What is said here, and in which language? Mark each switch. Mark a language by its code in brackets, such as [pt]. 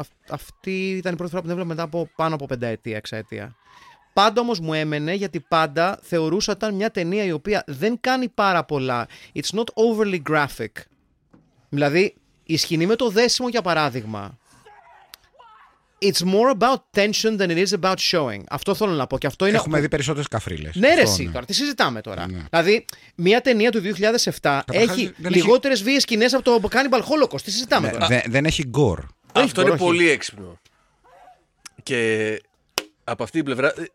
[el] Αυτή ήταν η πρώτη φορά που την έβλεπα μετά από πάνω από πενταετία, εξαετία. Πάντα όμως μου έμενε, γιατί πάντα θεωρούσα ότι ήταν μια ταινία η οποία δεν κάνει πάρα πολλά. [en] It's not overly graphic. [el] Δηλαδή, η σκηνή με το δέσιμο, για παράδειγμα. [en] It's more about tension than it is about showing. [el] Αυτό θέλω να πω. Και αυτό είναι... Έχουμε δει περισσότερες καφρίλες. Ναι, ρε, εσύ, τώρα. Τι συζητάμε τώρα. Ναι. Δηλαδή, μια ταινία του 2007 έχει λιγότερες βίαιες σκηνές από το Cannibal Holocaust. Τι συζητάμε τώρα. Δεν έχει gore. Αυτό είναι πολύ έξυπνο. Και από αυτή την πλευρά.